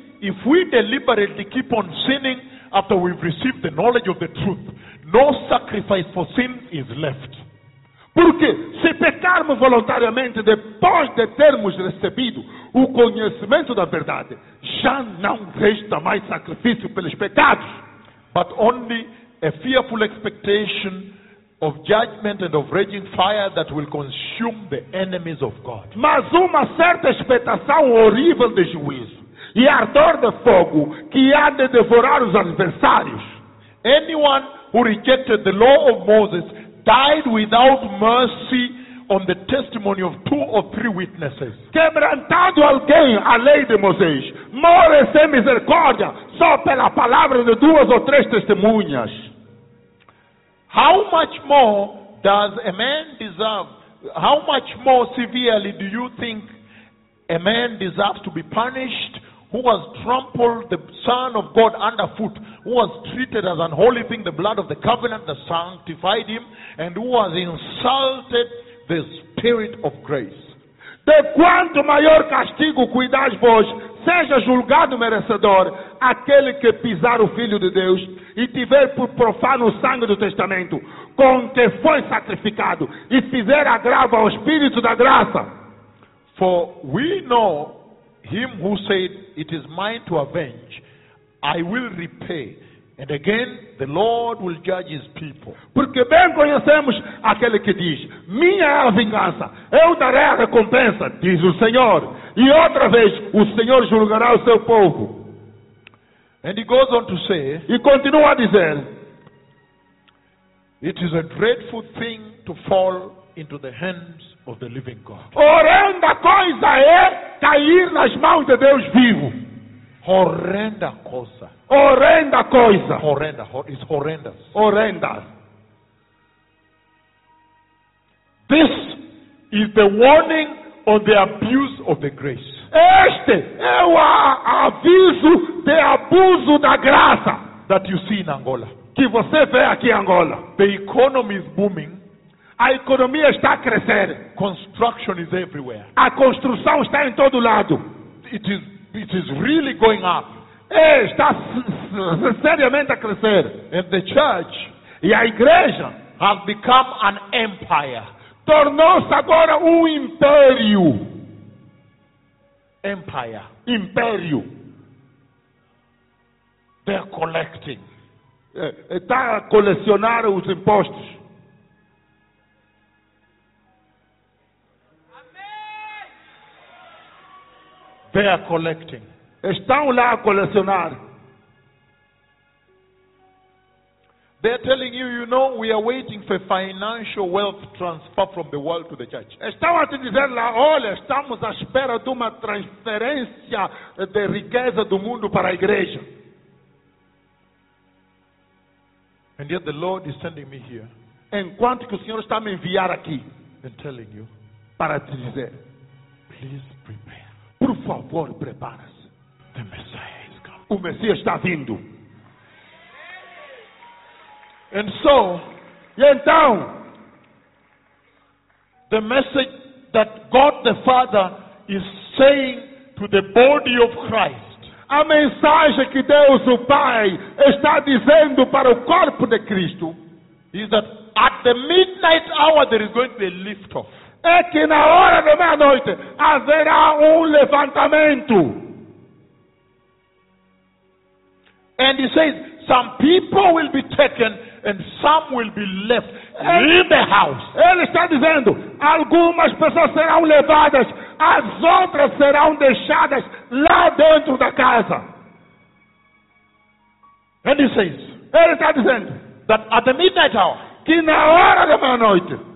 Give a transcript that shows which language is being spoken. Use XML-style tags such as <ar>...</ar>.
<en>if we deliberately keep on sinning after we've received the knowledge of the truth, no sacrifice for sin is left.</en> <pt>Porque se pecarmos voluntariamente depois de termos recebido o conhecimento da verdade, já não resta mais sacrifício pelos pecados.</pt> <en>But only a fearful expectation of judgment and of raging fire that will consume the enemies of God.</en> <pt>Mas uma certa expectação horrível de juízo e ardor de fogo que há de devorar os adversários.</pt> <en>Anyone who rejected the law of Moses died without mercy on the testimony of two or three witnesses.</en> <pt>Quebrantado alguém a lei de Moisés, merece misericórdia só pela palavra de duas ou três testemunhas.</pt> <en>How much more does a man deserve? How much more severely do you think a man deserves to be punished who has trampled the Son of God underfoot, who has treated as an holy thing the blood of the covenant that sanctified him, and who has insulted the Spirit of grace?</en> <pt>De quanto maior castigo cuidais vós, seja julgado merecedor aquele que pisar o Filho de Deus e tiver por profano o sangue do testamento com que foi sacrificado e fizer agravo ao Espírito da graça?</pt> <en>For we know him who said, it is mine to avenge, I will repay, and again the Lord will judge his people.</en> <pt>Porque bem conhecemos aquele que diz, minha é a vingança, eu darei a recompensa, diz o Senhor, e outra vez o Senhor julgará o seu povo.</pt> <en>And he goes on to say,</en> <pt>e continua a dizer,</pt> <en>it is a dreadful thing to fall into the hands of the living God.</en> <pt>Horrenda coisa é cair nas mãos de Deus vivo. Horrenda coisa. Horrenda coisa. Horrenda.</pt> <en>It's horrendous.</en> <pt>Horrenda.</pt> <en>This is the warning on the abuse of the grace.</en> <pt>Este é o aviso de abuso da graça.</pt> <en>That you see in Angola.</en> <pt>Que você vê aqui em Angola.</pt> <en>The economy is booming.</en> <pt>A economia está a crescer.</pt> <en>Construction is everywhere.</en> <pt>A construção está em todo lado.</pt> <en>It is really going up.</en> <pt>É, está seriamente a crescer.</pt> <en>And the church,</en> <pt>e a igreja,</pt> <en>has become an empire.</en> <pt>Tornou-se agora império.</pt> <en>Empire.</en> <pt>Império.</pt> <en>They're collecting.</en> <pt>Está a colecionar os impostos.</pt> <en>They are collecting.</en> <pt>Estão lá a colecionar.</pt> <en>They are telling you, you know, we are waiting for financial wealth transfer from the world to the church.</en> <pt>Estão a te dizer lá, olha, estamos à espera de uma transferência de riqueza do mundo para a igreja.</pt> <en>And yet the Lord is sending me here.</en> <pt>Enquanto que o Senhor está a me enviar aqui.</pt> <en>And telling you.</en> <pt>Para te dizer.</pt> <en>Please prepare.</en> <pt>Por favor, prepare-se.</pt> <en>The Messiah is coming.</en> <pt>O Messias está vindo.</pt> <en>And so,</en> <pt>e então,</pt> <en>the message that God the Father is saying to the body of Christ.</en> <pt>A mensagem que Deus o Pai está dizendo para o corpo de Cristo</pt> <en>is that at the midnight hour there is going to be a lift off.</en> <pt>É que na hora da meia-noite haverá levantamento.</pt> <en>And he says, some people will be taken and some will be left in the house.</en> <pt>Ele está dizendo, algumas pessoas serão levadas, as outras serão deixadas lá dentro da casa.</pt> <en>And he says,</en> <pt>ele está dizendo,</pt> <en>that at the midnight hour,</en> <pt>que na hora da meia-noite,</pt>